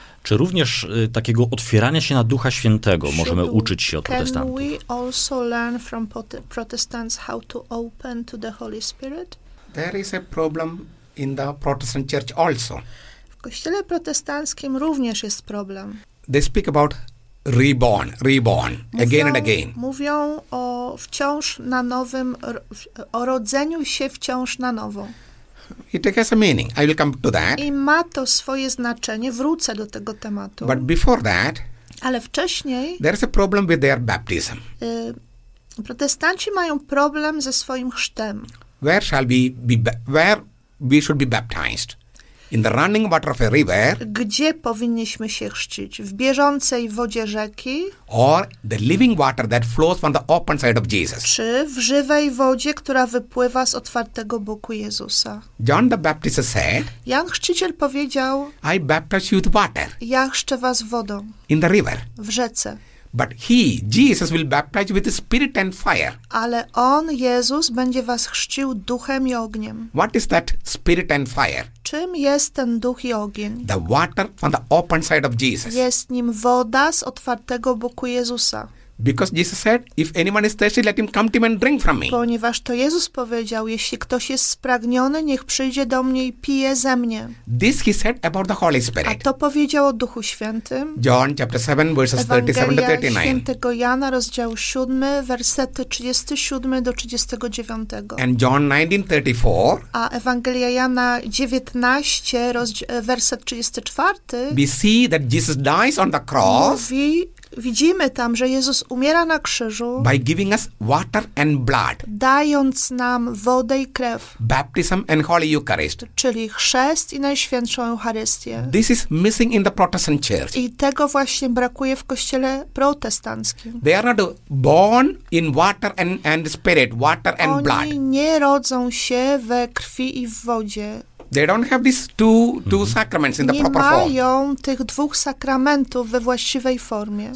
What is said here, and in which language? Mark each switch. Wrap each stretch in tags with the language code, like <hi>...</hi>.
<pl>Czy również takiego otwierania się na Ducha Świętego możemy uczyć się od protestantów?</pl> <en>Can we also learn from Protestants how to open to the Holy Spirit? There is a problem in the Protestant Church also.</en> <pl>W kościele protestanckim również jest problem.</pl> <en>They speak about reborn,</en> <pl>mówią,</pl> <en>again and again.</en> <pl>Mówią o wciąż na nowym, o rodzeniu się wciąż na nowo.</pl> <en>It has a meaning. I will come to that.</en> <pl>I ma to swoje znaczenie. Wrócę do tego tematu.</pl> <en>But before that,</en> <pl>ale wcześniej,</pl> <en>there is a problem with their baptism.</en> <pl>Protestanci mają problem ze swoim chrztem.</pl> <en>Where shall we be? Where we should be baptized? In the running water of a river.</en> <pl>Gdzie powinniśmy się chrzcić? W bieżącej wodzie rzeki?</pl> <en>Or the living water that flows from the open side of Jesus.</en> <pl>Czy w żywej wodzie, która wypływa z otwartego boku Jezusa?</pl> <en>John the Baptist said.</en> <pl>Jan Chrzciciel powiedział.</pl> <en>I baptize you with water.</en> <pl>Ja chrzczę was wodą.</pl> <en>In the river.</en> <pl>W rzece.</pl> <en>But he, Jesus, will baptize with the Spirit and fire.</en> <pl>Ale on, Jezus, będzie was chrzcił duchem i ogniem.</pl> <en>What is that Spirit and fire?</en> <pl>Czym jest ten duch i ogień?</pl> <en>The water from the open side of Jesus.</en> <pl>Jest nim woda z otwartego boku Jezusa.</pl> <en>Because Jesus said, if anyone is thirsty, let him come to me and drink from me.</en> <pl>Ponieważ to Jezus powiedział, jeśli ktoś jest spragniony, niech przyjdzie do mnie i pije ze mnie.</pl> <en>This he said about the Holy Spirit.</en> <pl>A to powiedział o Duchu Świętym.</pl> <en>John chapter 7, verses 37-39.</en> <pl>Ewangelia Świętego Jana, rozdział 7, wersety 37-39.</pl> <en>And John 19:34.</en> <pl>A Ewangelia Jana 19, werset 34.</pl> <en>We see that Jesus dies on the cross.</en> <pl>Mówi, widzimy tam, że Jezus umiera na krzyżu.</pl> <en>By giving us water and blood.</en> <pl>Dając nam wodę i krew.</pl> <en>Baptism and Holy Eucharist.</en> <pl>Czyli chrzest i Najświętszą Eucharystię.</pl> <en>This is missing in the Protestant Church.</en> <pl>I tego właśnie brakuje w Kościele protestanckim.</pl> <en>They are not born in water and spirit, water and</en> <pl>oni</pl> <en>blood.</en> <pl>Oni nie rodzą się we krwi i w wodzie.</pl> <en>They don't have these two sacraments in the proper form.</en> <pl>Nie mają tych dwóch sakramentów we właściwej formie.</pl>